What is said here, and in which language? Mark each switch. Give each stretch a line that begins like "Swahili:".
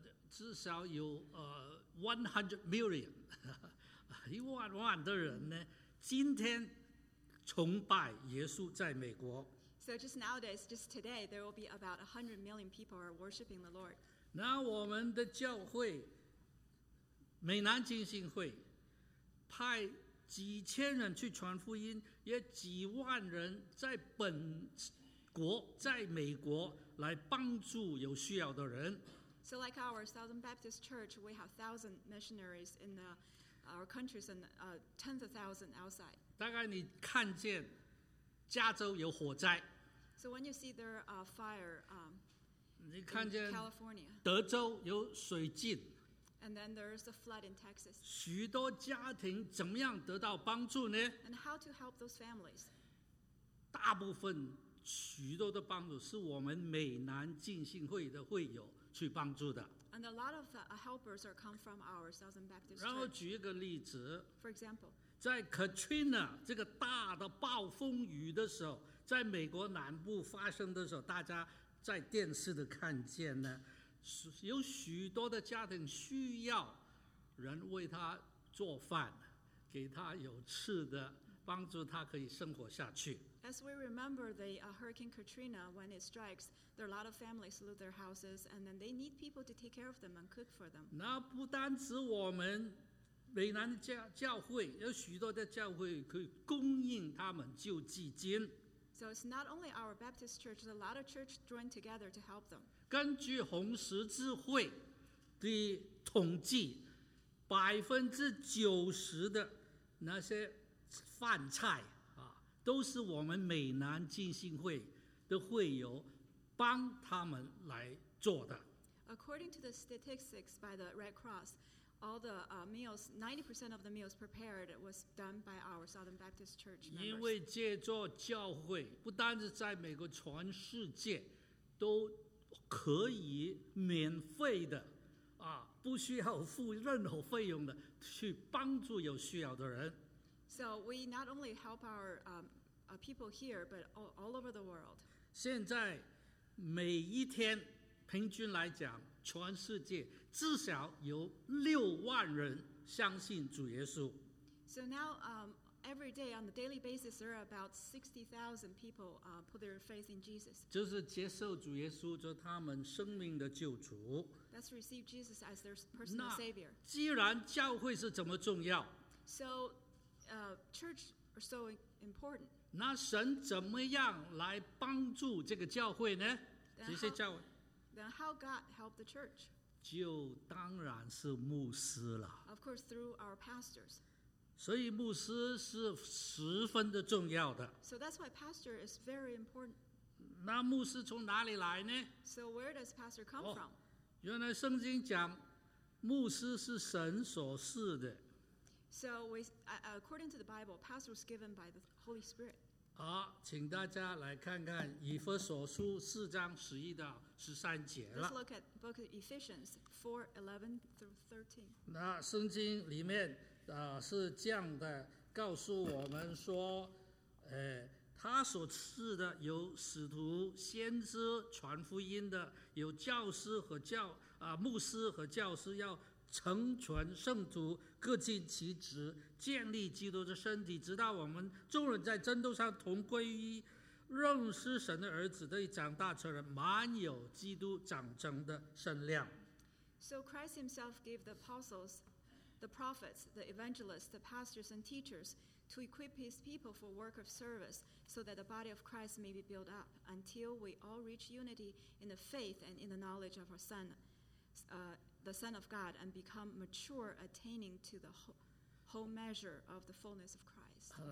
Chinese: 至少有
English: 100 million
Chinese: 一万万的人呢，今天崇拜耶稣在美国。
English: So just nowadays, just today, there will be about 100 million people are worshiping the Lord.
Chinese: 那我们的教会，美南浸信会，派几千人去传福音，也几万人在本国，在美国来帮助有需要的人。
English: So like our Southern Baptist Church, we have 1,000 missionaries in the, our countries and tens of thousands outside.
Chinese: 大概你看见加州有火灾。
English: So when you see there are fire in California,
Chinese: 德州有水浸。
English: And then there's a flood in Texas.
Chinese: 许多家庭怎么样得到帮助呢？
English: And how to help those families?
Chinese: 大部分许多的帮助是我们美南浸信会的会友去帮助的。
English: And a lot of helpers are come from our Southern Baptist Church.
Chinese: 然后举一个例子。
English: For example,
Chinese: 在 Katrina 这个大的暴风雨的时候，在美国南部发生的时候，大家在电视的看见呢，有许多的家庭需要人为他做饭，给他有吃的，帮助他可以生活下去。
English: As we remember the Hurricane Katrina, when it strikes, there are a lot of families lose their houses, and then they need people to take care of them and cook for them.
Chinese: 那不单指我们美南教会，有许多的教会可以供应他们救济金。
English: So it's not only our Baptist church, there's a lot of church joined together to help them.
Chinese: 根据红十字会的统计，90%的那些饭菜啊，都是我们美南浸信会的会友帮他们来做的。
English: According to the statistics by the Red Cross, all the meals, 90% of the meals prepared was done by our Southern Baptist Church members.
Chinese: 因为借助教会，不单是在美国，全世界都可以免费的啊，不需要付任何费用的去帮助有需要的人。
English: So we not only help our people here, but all over the world.
Chinese: 现在每一天平均来讲，全世界至少有60,000人相信主耶稣。
English: So now, every day on a daily basis, there are about 60,000 people put their faith in Jesus.
Chinese: 就是接受主耶稣做他们生命的救主。
English: That's receive Jesus as their personal savior.
Chinese: 既然教会是这么重要
English: ，So church are so important.
Chinese: 那神怎么样来帮助这个教会呢？这些教会。
English: Then how God helped the church?
Chinese: 就当然是牧师了。
English: Of course, through our pastors.
Chinese: 所以牧师是十分的重要的。
English: So that's why pastor is very important.
Chinese: 那牧师从哪里来呢？
English: So where does pastor come from?
Chinese: 原来圣经讲，牧师是神所赐的。
English: So we, according to the Bible, pastor was given by the Holy Spirit.
Chinese: 好，请大家来看看以弗所书四章十一到十三节了。
English: Let's look at Book of Ephesians 4:11-13.
Chinese: 那圣经里面是这样的，告诉我们说，他所赐的有使徒、先知传福音的，有教师和牧师和教师要成全圣徒，各尽其职，建立基督的身体，直到我们众人在真道上同归于一，认识神的儿子，得以长大成人，满有基督长成的身量。
English: So Christ himself gave the apostles, the prophets, the evangelists, the pastors and teachers to equip his people for work of service so that the body of Christ may be built up until we all reach unity in the faith and in the knowledge of our Son, the Son of God, and become mature, attaining to the whole measure of the fullness of Christ.